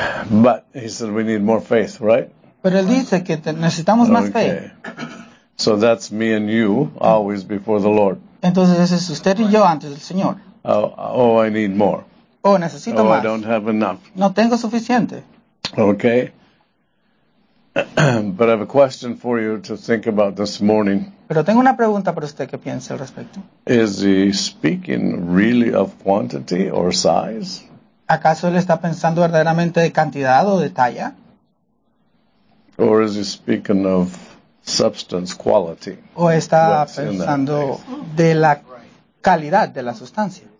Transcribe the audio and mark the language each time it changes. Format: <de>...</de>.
<en>But he said we need more faith, right?</en> <es>Pero él dice que necesitamos más fe.</es> <en>So that's me and you always before the Lord.</en> <es>Entonces ese es usted y yo antes del Señor.</es> <en>Oh, I need more.</en> <es>Oh, necesito oh, más.</es> <en>I don't have enough.</en> <es>No tengo suficiente.</es> <en>Okay. But I have a question for you to think about this morning.</en> <es>Pero tengo una pregunta para usted que piense al respecto.</es> <en>Is he speaking really of quantity or size?</en> <es>¿Acaso él está pensando verdaderamente de cantidad o de talla?</es> <en>Or is he speaking of substance quality?</en> <es>¿O está pensando de la calidad de la sustancia?</es>